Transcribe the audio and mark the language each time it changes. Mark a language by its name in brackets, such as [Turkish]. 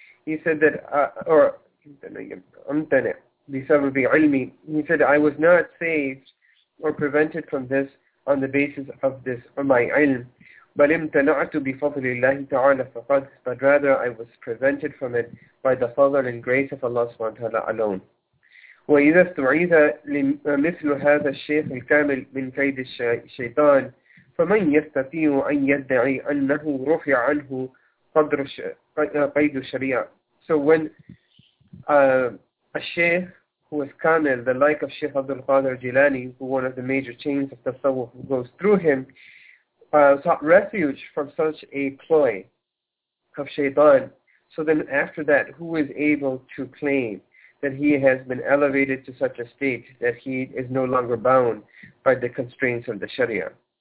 [English] He said that, or [Arabic] إِمْتَنِعْ بِسَبَبِ عِلْمِي. [English] He said, I was not saved or prevented from this on the basis of this or my ilm, but [Arabic] إِمْتَنَعْتُ بِفَضْلِ اللَّهِ تَعَالَى فَقَدْ. [English] But rather, I was prevented from it by the favor and grace of Allah subhanahu wa ta'ala alone. [Arabic] وإذا استعيذ مثل هذا الشيخ الكامل من كيد الشيطان فمن يستطيع أن يدعي أنه رفع عنه قدر قيد الشريعة. [English] So when a sheikh who is Kamil, the like of Sheikh Abdul Qadir Jilani, who one of the major chains of tasawwuf goes through him, sought refuge from such a ploy of shaitan. So then after that, who is able to claim that he has been elevated to such a state that he is no longer bound by the constraints of the Sharia.